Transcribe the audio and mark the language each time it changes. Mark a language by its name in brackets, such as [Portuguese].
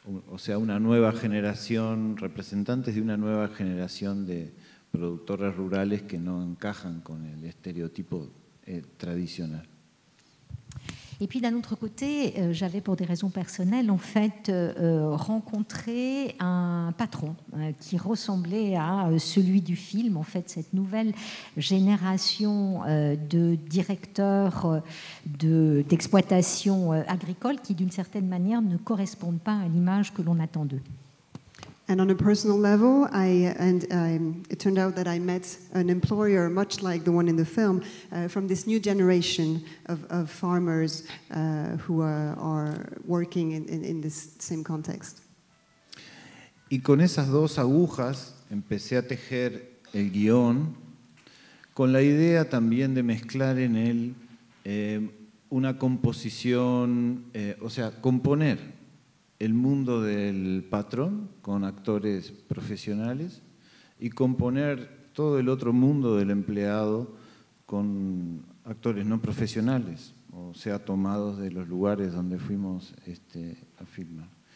[Spanish] O sea, una nueva generación, representantes de una nueva generación de productores rurales que no encajan con el estereotipo tradicional. [French] Et puis d'un autre côté, j'avais pour des raisons personnelles en fait rencontré un patron qui ressemblait à celui du film, en fait cette nouvelle génération de directeurs d'exploitation agricole qui d'une certaine manière ne correspondent pas à l'image que l'on attend d'eux. [English] And on a personal level, it turned out that I met an employer much like the one in the film from this new generation of farmers who are working in this same context. [Spanish] Y con esas dos agujas empecé a tejer el guión con la idea también de mezclar en él una composición, o sea, componer el mundo del patrón con actores profesionales y componer todo el otro mundo del empleado con actores no profesionales, o sea, tomados de los lugares donde fuimos a filmar.